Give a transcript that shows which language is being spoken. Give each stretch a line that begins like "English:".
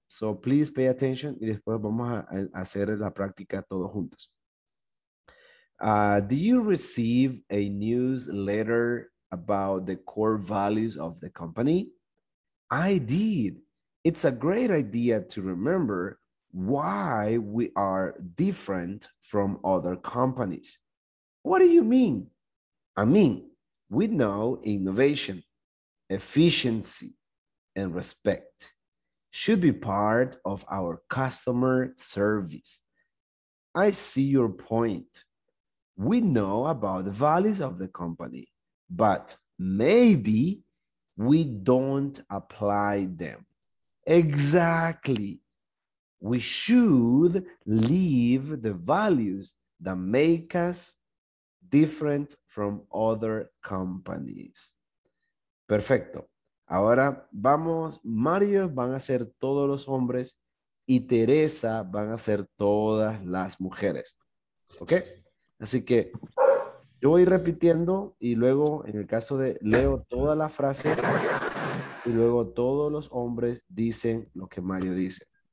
English: So please pay attention
Spanish: y después vamos a hacer la práctica todos juntos.
English: Do you receive a newsletter about the core values of the company? I did. It's a great idea to remember why we are different from other companies. What do you mean? I mean, we know innovation, efficiency, and respect should be part of our customer service. I see your point. We know about the values of the company, but maybe we don't apply them. Exactly. We should leave the values that make us different from other companies.
Spanish: Perfecto. Ahora vamos, Mario van a ser todos los hombres y Teresa van a ser todas las mujeres. ¿Ok? Así que yo voy repitiendo y luego en el caso de leo toda la frase y luego todos los hombres dicen lo que Mario dice.